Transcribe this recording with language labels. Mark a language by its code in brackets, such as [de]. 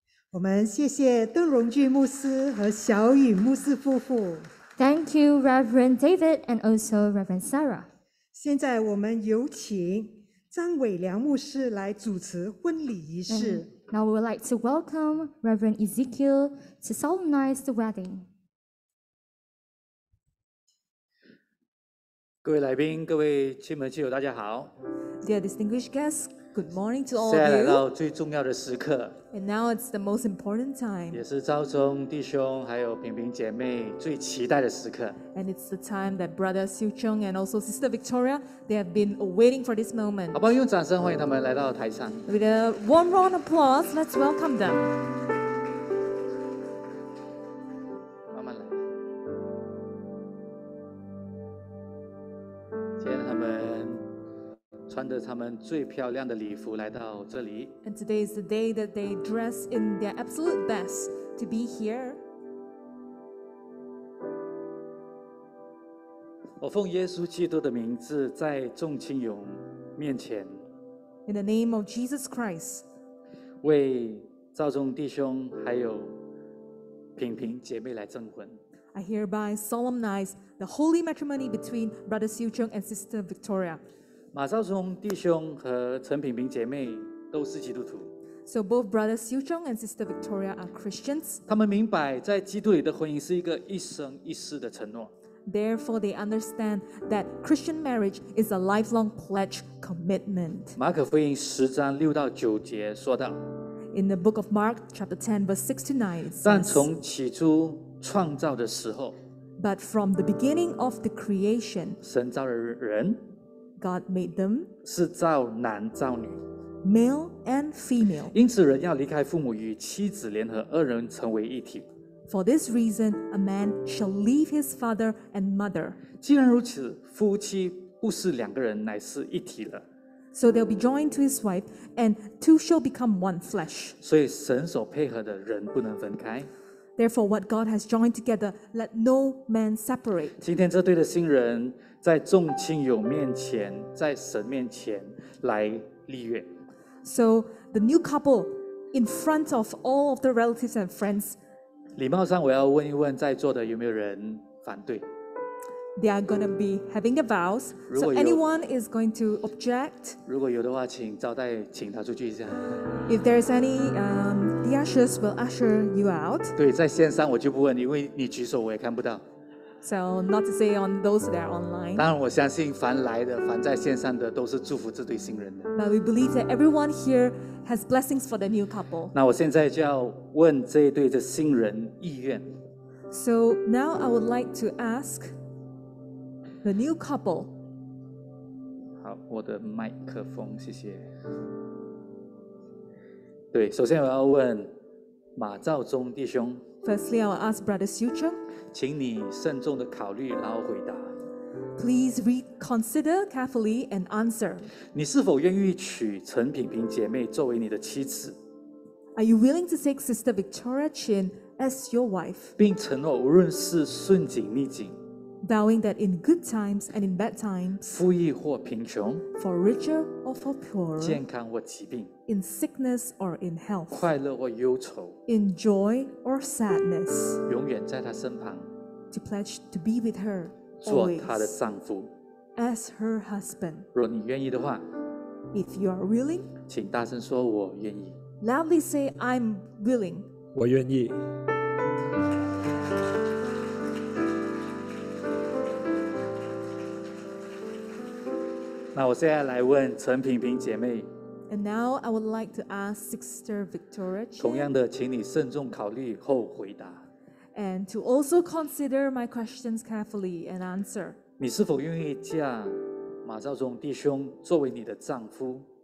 [zh] 我们谢谢邓荣俊牧师和小雨牧师夫妇。 [en] Thank you, Reverend David and also Reverend Sarah. [zh] 现在我们有请张伟良牧师来主持婚礼仪式。 [en] Now we would like to welcome Reverend Ezekiel to solemnize the wedding. [zh] 各位来宾，各位亲朋戚友，大家好。 [en] Dear distinguished guests, good morning to all of you. [zh] 现在来到最重要的时刻。 [en] And now it's the most important time. [zh] 也是赵中弟兄还有平平姐妹最期待的时刻。 [en] And it's the time that Brother Siu Chung and also Sister Victoria, they have been waiting for this moment. [zh] 好不好用掌声欢迎他们来到台上。 [en] With a warm round of applause, let's welcome them. [zh] 慢慢来。今天他们穿着他们最漂亮的礼服来到这里。 [en] And today is the day that they dress in their absolute best to be here. [zh] 我奉耶稣基督的名字，在众亲友面前 [en] ，In the name of Jesus Christ， [zh] 为赵中弟兄还有平平姐妹来证婚。 [en] I hereby solemnize the holy matrimony between Brother Siu Chung and Sister Victoria。 [zh] 马赵中弟兄和陈平平姐妹都是基督徒。 [en] So both Brother Siu Chung and Sister Victoria are Christians。 [zh] 他们明白，在基督里的婚姻是一个一生一世的承诺。 [en] Therefore, they understand that Christian marriage is a lifelong pledge commitment. [zh] 马可福音十章六到九节说道 [en] In the book of Mark, chapter 10, verse 6 to 9, it says, [zh] 但从起初创造的时候 [en] But from the beginning of the creation, [zh] 神造了人 [en] God made them, [zh] 是造男造女 [en] male and female. [zh] 因此人要离开父母与妻子联合二人成为一体 [en] For this reason, a man shall leave his father and mother. [zh] 既然如此，夫妻不是两个人，乃是一体了。 [en] So they'll be joined to his wife, and two shall become one flesh. [zh] 所以神所配合的人不能分开。 [en] Therefore, what God has joined together, let no man separate. [zh] 今天这对的新人在众亲友面前，在神面前来立约。 [en] So the new couple, in front of all of the relatives and friends. [zh] 礼貌上，我要问一问在座的有没有人反对。 [en] They are going to be having their vows. So anyone is going to object. [zh] 如果有的话，请招待，请他出去一下。 [en] If there is any, the ushers will usher you out. [zh] 对，在线上我就不问，因为你举手我也看不到。 [en] So not to say on those that are online. [zh] 当然，我相信凡来的，凡在线上的，都是祝福这对新人的。 [en] But we believe that everyone here has blessings for the new couple. [zh] 那我现在就要问这一对的新人意愿。 [en] So now I would like to ask. The new couple. [zh] 好，我的麦克风，谢谢。对，首先我要问马兆忠弟兄。 [en] Firstly, I will ask Brother Siu Cheng. [zh] 请你慎重的考虑，然后回答。 [en] Please reconsider carefully and answer. [zh] 你是否愿意娶陈品品姐妹作为你的妻子 [en] ？Are you willing to take Sister Victoria Chin as your wife? [zh] 并承诺，无论是顺境逆境。 [en] Vowing that in good times and in bad times, [zh] 富裕或贫穷 [en] for richer or for poorer, [zh] 健康或疾病 [en] in sickness or in health, [zh] 快乐或忧愁 [en] in joy or sadness, [zh] 永远在她身旁 [en] to pledge to be with her, [zh] 做她的丈夫 [en] as her husband. [zh] 若你愿意的话 [en] if you are willing, [zh] 请大声说我愿意 [en] loudly say I'm willing. [zh] 我愿意那我现在来问陈品品姐妹。 [en] And now I would like to ask Sister Victoria. [zh] 同样的，请你慎重考虑后回答。 [en] And to also consider my questions carefully and answer. [zh] 你是否愿意嫁马兆忠弟兄作为你的丈夫